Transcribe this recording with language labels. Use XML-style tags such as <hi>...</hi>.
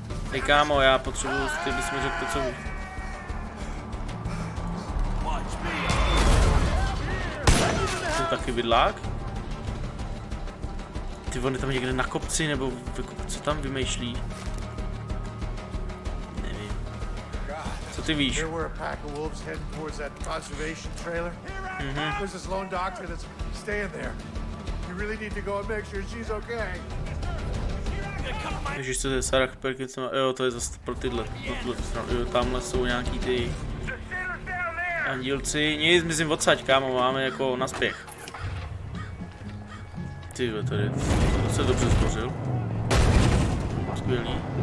<cs>Hej kámo, já potřebuji, ty bys mi řekl to, co víš. To je taky bydlák? Ty vole, tam někde na kopci, nebo co tam vymýšlí? Ty víš.</cs> <en>There were a pack of wolves heading towards that conservation trailer. Mm-hmm. There's this lone doctor that's staying there. You really need to go and make sure she's okay.</en> <cs>Ježiš, to je Sarah Perkinsona. Jo, to je zase pro tyhle. Jo, tamhle jsou nějaký ty andílci. Nic, myslím, odsaď, kámo, máme jako naspěch. Ty jo, tady se dobře zbořil. Skvělý.</cs>